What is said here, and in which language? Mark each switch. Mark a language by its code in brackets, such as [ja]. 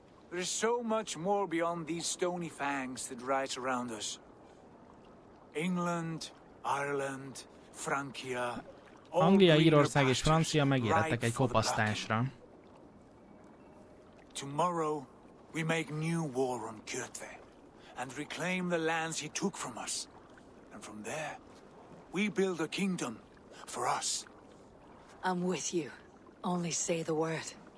[en] There is so much more beyond these stony fangs that rise around us. England, Ireland, Francia. [hu] Anglia, Írország és Francia megérettek egy kopasztásra. [en] Tomorrow we make new war on Kötve and reclaim the lands he took from us. And from there we build a kingdom for us. I'm with you. Only say the word.